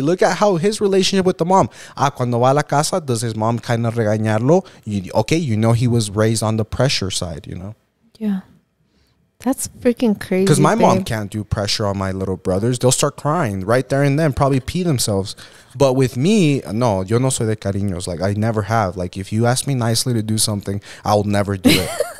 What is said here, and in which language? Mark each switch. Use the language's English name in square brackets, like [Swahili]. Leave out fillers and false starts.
[English] Look at how his relationship with the mom. [Spanish] Cuando va a la casa, [English] does his mom kind of regañarlo? Okay, you know he was raised on the pressure side, you know? Yeah, that's freaking crazy. Because my mom can't do pressure on my little brothers. They'll start crying right there and then, probably pee themselves. But with me, [Spanish] no, yo no soy de cariños. [English] Like, I never have. Like, if you ask me nicely to do something, I'll never do it.